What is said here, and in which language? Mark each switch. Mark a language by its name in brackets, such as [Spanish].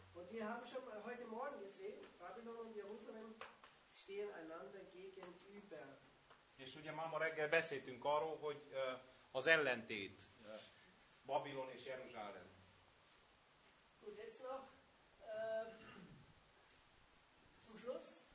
[German] Und wir haben schon heute Morgen gesehen, Babylon und Jerusalem stehen einander gegenüber. [Hungarian] És ugye már ma reggel beszéltünk arról, hogy az ellentét... Babylon és Jeruzsálem. [German] Gut, jetzt noch zum Schluss.